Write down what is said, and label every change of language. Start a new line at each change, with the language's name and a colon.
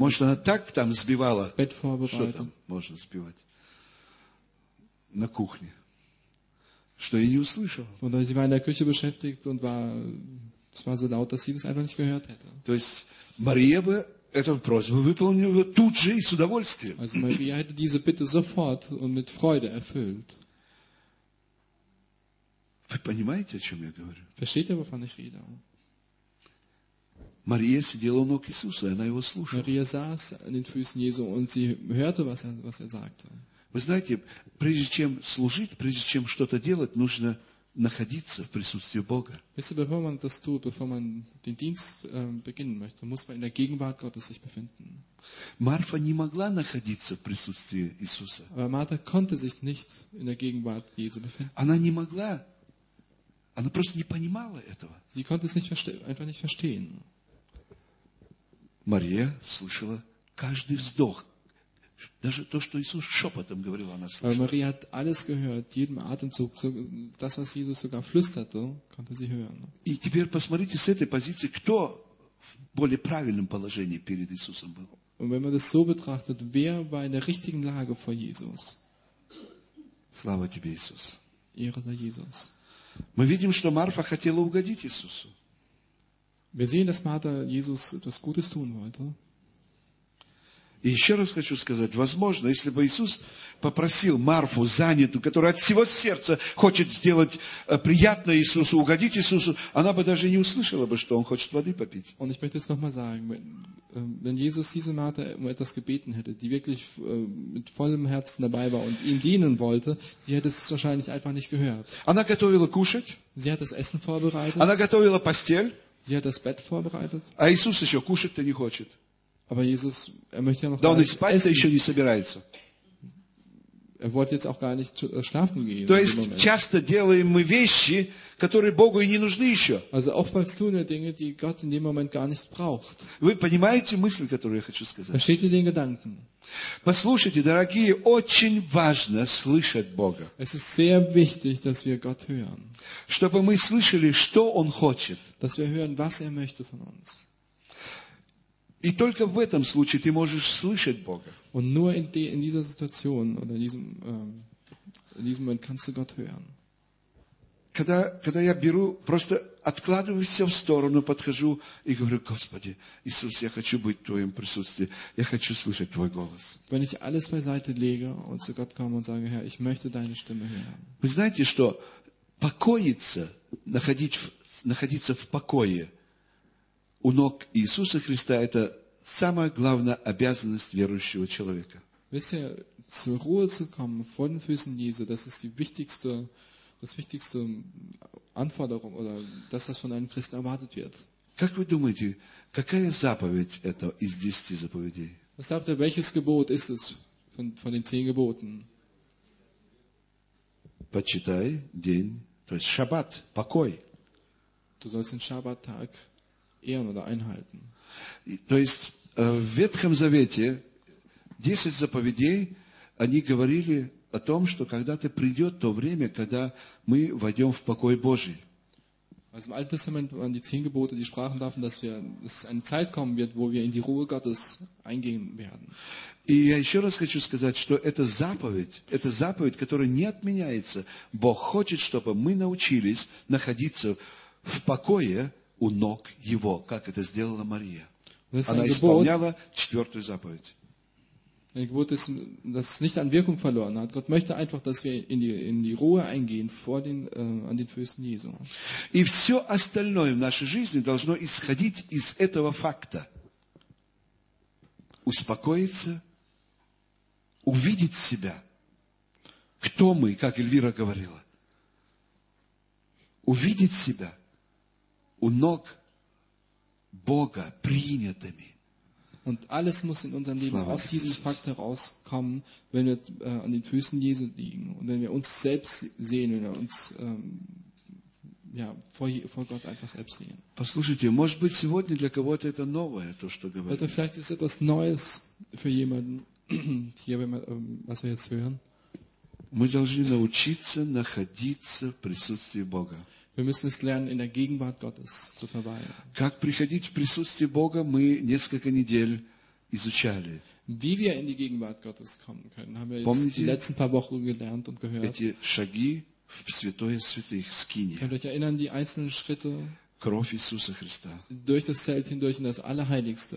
Russian: может, она так там сбивала.
German: Bett vorbereitet.
Russian: Что там можно сбивать? На кухне. Что я не услышала.
German: Oder sie war in der Küche beschäftigt und war, es war so laut, dass sie es einfach nicht gehört hätte.
Russian: То есть, Мария бы эту просьбу выполнила тут же и с удовольствием.
German: Also Maria hätte diese Bitte sofort und mit Freude erfüllt.
Russian: Вы понимаете, о чем я говорю?
German: Versteht ihr, wovon ich rede?
Russian: Мария сидела у ног Иисуса, и она его слушала.
German: Maria saß an den Füßen Jesu und sie hörte, was er sagte.
Russian: Вы знаете, прежде чем служить, прежде чем что-то делать, нужно находиться в присутствии Бога.
German: Wisst ihr, bevor man das tut, bevor man den Dienst beginnen möchte, muss man in der Gegenwart Gottes sich befinden.
Russian: Марфа не могла находиться в присутствии Иисуса.
German: Aber Martha konnte sich nicht in der Gegenwart Jesu befinden.
Russian: Она не могла. Она просто не понимала этого.
German: Sie konnte es nicht einfach nicht verstehen.
Russian: Мария слышала каждый вздох. Даже то, что Иисус шепотом говорил, она слышала.
German: Мария hat alles gehört, jeden Atemzug, das, was Jesus sogar flüsterte, konnte sie hören.
Russian: И теперь посмотрите с этой позиции, кто в более правильном положении перед Иисусом был.
German: Und wenn man das so betrachtet, wer war in der richtigen Lage vor Jesus?
Russian: Слава тебе, Иисус.
German: Ehre sei Jesus.
Russian: Мы видим, что Марфа хотела угодить Иисусу.
German: Wir sehen, dass Martha Jesus etwas Gutes tun wollte.
Russian: И еще раз хочу сказать, возможно, если бы Иисус попросил Марфу, занятую, которая от всего сердца хочет сделать приятное Иисусу, угодить Иисусу, она бы даже не услышала бы, что Он хочет воды попить.
German: Und ich möchte es nochmal sagen, wenn Jesus diese Martha um etwas gebeten hätte, die wirklich mit vollem Herzen dabei war und ihm dienen wollte, sie hätte es wahrscheinlich einfach nicht gehört.
Russian: Она готовила кушать.
German: Sie hat das Essen vorbereitet.
Russian: Она готовила постель.
German: Sie hat das Bett vorbereitet.
Russian: А Иисус еще кушать-то не хочет.
German: Aber Jesus, er möchte ja noch
Russian: да, он и спать-то еще не собирается.
German: Er wollte jetzt auch gar nicht schlafen gehen.
Russian: То есть, часто делаем мы вещи, которые Богу и не нужны еще.
German: Also oftmals tun wir Dinge, die Gott in dem Moment gar nicht braucht.
Russian: Вы понимаете мысль, которую я хочу сказать?
German: Versteht ihr den Gedanken?
Russian: Послушайте, дорогие, очень важно слышать Бога.
German: Es ist sehr wichtig, dass wir Gott hören.
Russian: Чтобы мы слышали, что Он хочет.
German: Dass wir hören, was er möchte von uns.
Russian: И только в этом случае ты можешь слышать Бога.
German: Und nur in dieser Situation oder in diesem Moment kannst du Gott hören.
Russian: Когда я беру, просто откладываю все в сторону, подхожу и говорю, Господи, Иисус, я хочу быть в Твоем присутствии, я хочу слышать Твой голос.
German: Wenn ich alles beiseite lege und zu Gott komme und sage, Herr, ich möchte Deine Stimme hören.
Russian: Вы знаете, что покоиться, находиться в покое, у ног Иисуса Христа это самая главная обязанность верующего человека.
German: Wisst ihr, zur Ruhe zu kommen vor den Füßen Jesu, das ist die wichtigste, das wichtigste Anforderung oder das, was von einem Christen erwartet wird.
Russian: Как вы думаете, какая заповедь это из 10 заповедей?
German: Was glaubt ihr, welches Gebot ist es von den 10 Geboten.
Russian: Почитай день, то есть Шаббат, покой.
German: Du sollst den Schabbat-Tag ehren oder einhalten.
Russian: То есть в Ветхом Завете 10 заповедей, они говорили о том, что когда-то придет то время, когда мы войдем в покой Божий.
German: Also im Alten Testament waren die 10 Gebote, die sprachen davon, dass wir, dass eine Zeit kommen wird, wo wir in die Ruhe Gottes eingehen werden.
Russian: И я еще раз хочу сказать, что это заповедь, которая не отменяется. Бог хочет, чтобы мы научились находиться в покое у ног Его, как это сделала Мария. Она исполняла четвертую заповедь.
German: Ein Gebot ist, das nicht an Wirkung verloren hat. Gott möchte einfach, dass wir in die Ruhe eingehen vor den, an den Füßen Jesu.
Russian: И все остальное в нашей жизни должно исходить из этого факта. Успокоиться, увидеть себя. Кто мы, как Эльвира говорила. Увидеть себя у ног Бога принятыми.
German: Und alles muss in unserem Leben aus diesem Fakt herauskommen, wenn wir an den Füßen Jesu liegen und wenn wir uns selbst sehen, wenn wir uns vor Gott einfach selbst sehen.
Russian: Послушайте, может быть сегодня для кого-то это новое, то что говорит. Это
German: vielleicht ist etwas Neues für jemanden hier, wenn wir, was wir jetzt hören.
Russian: Мы должны научиться находиться в присутствии Бога.
German: Wir müssen es lernen, in der Gegenwart Gottes zu verweilen.
Russian: Как приходить в присутствие Бога, мы несколько недель изучали.
German: Wie wir in die Gegenwart Gottes kommen können, haben wir jetzt die letzten paar Wochen gelernt und gehört.
Russian: Эти шаги в святое святых, скиния.
German: Könnt ihr euch erinnern, die einzelnen Schritte?
Russian: Кровь Иисуса Христа.
German: Durch das Zelt hindurch in das Allerheiligste.